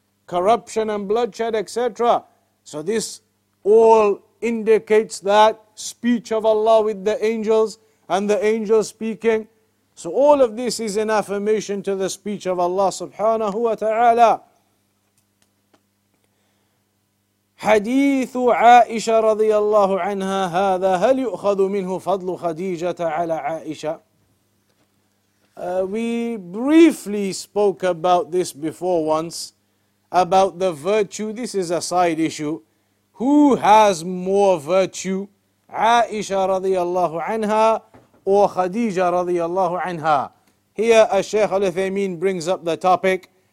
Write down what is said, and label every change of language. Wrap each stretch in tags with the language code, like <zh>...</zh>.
<en>Corruption and bloodshed, etc. So this all indicates that speech of Allah with the angels and the angels speaking. So all of this is an affirmation to the speech of Allah subhanahu wa ta'ala.</en> <ar>حديث عائشة رضي الله عنها هذا هل يؤخذ منه فضل خديجة على عائشة.</ar> <en>We briefly spoke about this before once, about the virtue. This is a side issue. Who has more virtue, عائشة</en> <ar>رضي الله عنها</ar> <en>or خديجة</en> <ar>رضي الله عنها?</ar> <en>Here الشيخ الأثيمين brings up the topic.</en>